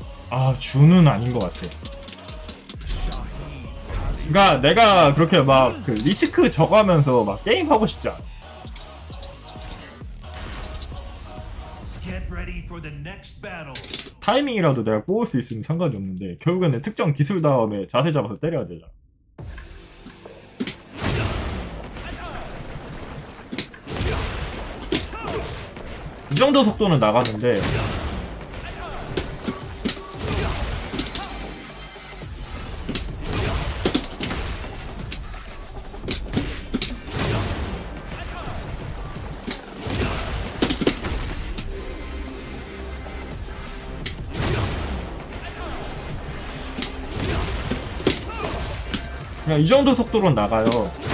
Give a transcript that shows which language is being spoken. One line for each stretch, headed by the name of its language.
Korean: 아, 준은 아닌 것 같아. 그니까 내가 그렇게 막 그 리스크 적어하면서 막 게임 하고 싶지 않아.
English: Get ready for the next battle.
Korean: 타이밍이라도 내가 꼬을 수 있으면 상관이 없는데 결국에는 특정 기술 다음에 자세 잡아서 때려야 되잖아. 이 정도 속도는 나가는데 이 정도 속도로 나가요.